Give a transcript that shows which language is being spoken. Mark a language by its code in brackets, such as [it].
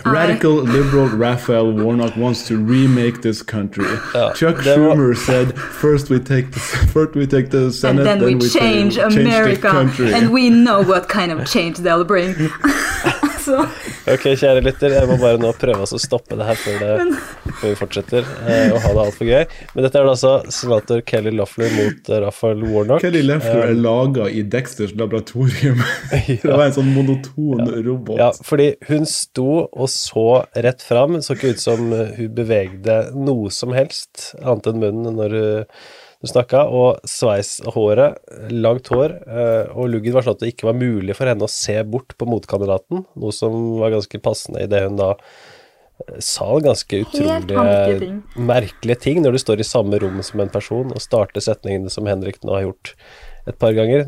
[en] radical liberal Raphael Warnock wants to remake this country. Yeah. Chuck Schumer said, "First we take the Senate, and then we change America, and we know what kind of change they'll bring." [no] Ok, kjære lytter, jeg må bare nå prøve å stoppe det her før vi fortsetter å ha det alt for gøy. Men dette det altså senator Kelly Loeffler mot Raphael Warnock. Kelly Loeffler er laget i Dexters laboratorium. Det var en sånn monoton robot. Ja, fordi hun sto og så rett frem, så ikke ut som hun bevegde noe som helst, annet enn munnen når hun snakket, og sveis håret, langt hår, og luggen var sånn at det ikke var mulig for henne å se bort på motkandidaten, noe som var ganske passende i det hun da sa ganske utrolig merkelige ting, når du står i samme rom som en person og starter setningene som Henrik nå har gjort et par ganger.